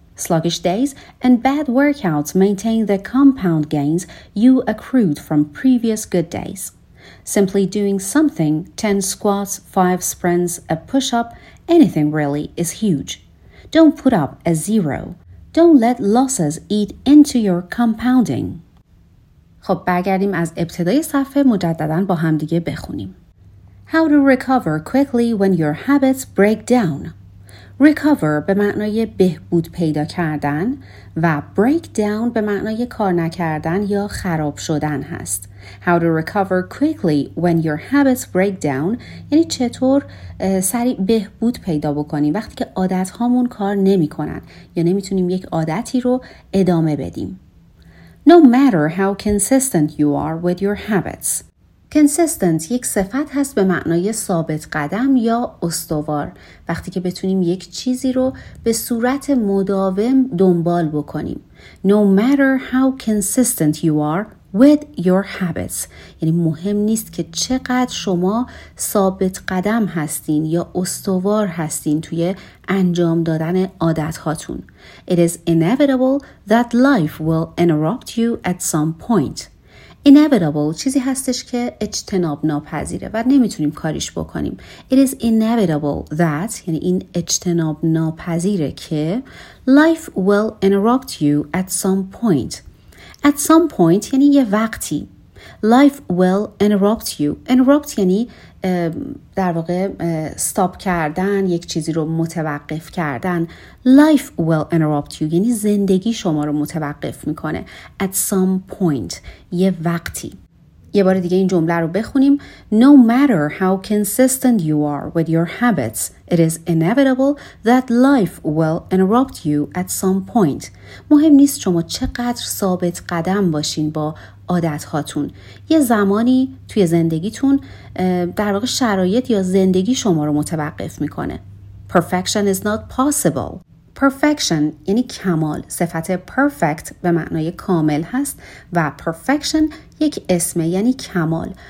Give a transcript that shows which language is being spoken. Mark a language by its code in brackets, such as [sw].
[en] Sluggish days and bad workouts maintain the compound gains you accrued from previous good days. Simply doing something, 10 squats, 5 sprints, a push-up, anything really, is huge. Don't put up a zero. Don't let losses eat into your compounding. [fa] خب برگردیم از ابتدای صفحه مجدداً با هم دیگه بخونیم. [en] How to recover quickly when your habits break down. [fa] Recover به معنای بهبود پیدا کردن و break down به معنای کار نکردن یا خراب شدن هست. [en] How to recover quickly when your habits break down [fa] یعنی چطور سریع بهبود پیدا بکنیم وقتی که عادت هامون کار نمی کنن یا نمیتونیم یک عادتی رو ادامه بدیم. [en] No matter how consistent you are with your habits. [fa] Consistent یک صفت هست به معنای ثابت قدم یا استوار. وقتی که بتونیم یک چیزی رو به صورت مداوم دنبال بکنیم. [en] No matter how consistent you are with your habits. [fa] یعنی مهم نیست که چقدر شما ثابت قدم هستین یا استوار هستین توی انجام دادن عادت هاتون. [en] It is inevitable that life will interrupt you at some point. [fa] inevitable چیزی هستش که اجتناب ناپذیره و نمیتونیم کاریش بکنیم. [en] It is inevitable that [fa] یعنی این اجتناب ناپذیره که [en] life will interrupt you at some point. At some point [fa] یعنی یه وقتی. [en] Life will interrupt you. [fa] Interrupt یعنی در واقع stop کردن، یک چیزی رو متوقف کردن. [en] Life will interrupt you [fa] یعنی زندگی شما رو متوقف میکنه. [en] At some point [fa] یه وقتی. یه بار دیگه این جمله رو بخونیم. [en] No matter how consistent you are with your habits, it is inevitable that life will interrupt you at some point. [fa] مهم نیست شما چقدر ثابت قدم باشین با عادت هاتون، یه زمانی توی زندگیتون در واقع شرایط یا زندگی شما رو متوقف میکنه. [en] Perfection is not possible. [fa] Perfection یعنی کمال. صفت perfect به معنای کامل هست و perfection یک اسمه یعنی کمال.